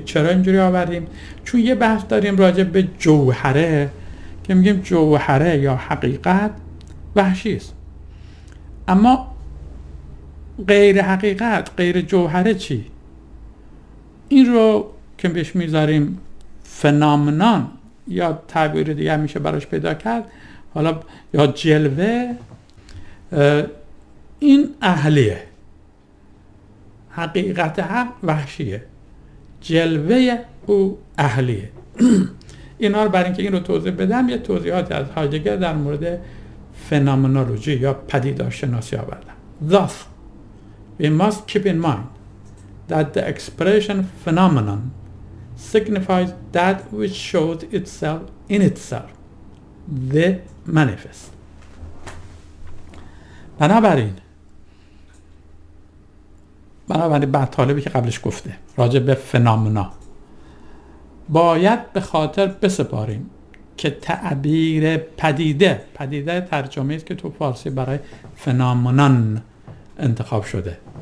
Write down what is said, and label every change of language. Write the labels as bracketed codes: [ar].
[fa] چرا اینجوری آوردیم؟ چون یه بحث داریم راجع به جوهره، که میگیم جوهره یا حقیقت وحشی است، اما غیر حقیقت، غیر جوهره چی؟ این رو که بهش میذاریم فنومنان، یا تعبیر دیگه میشه براش پیدا کرد، حالا یا جلوه، این اهلیه. حقیقت حق وحشیه، جلوه او اهلیه. اینا رو برای اینکه این رو توضیح بدم، یه توضیحاتی از هایدگر در مورد فنومنولوژی یا پدیدارشناسی آوردم. [en] Thus, we must keep in mind that the expression phenomenon signifies that which shows itself in itself, the manifest. [fa] بنابراین بطالبی که قبلش گفته راجع به فنامنا، باید به خاطر بسپاریم که تعبیر پدیده، پدیده ترجمه است که تو فارسی برای فنامنان انتخاب شده،